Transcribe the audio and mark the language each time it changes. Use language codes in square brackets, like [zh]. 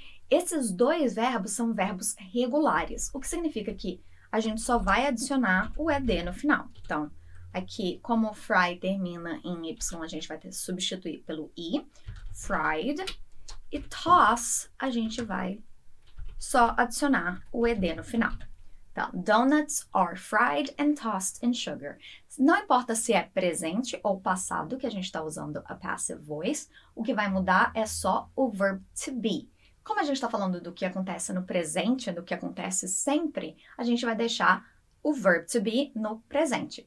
[pt] Esses dois verbos são verbos regulares, o que significa que a gente só vai adicionar o ED no final. Então, aqui, como fry termina em Y, a gente vai ter que substituir pelo I, fried, e toss, a gente vai só adicionar o ED no final. [en] Então, donuts are fried and tossed in sugar. [pt] Não importa se é presente ou passado que a gente está usando a passive voice, o que vai mudar é só o verb to be. Como a gente está falando do que acontece no presente, do que acontece sempre, a gente vai deixar o verb to be no presente.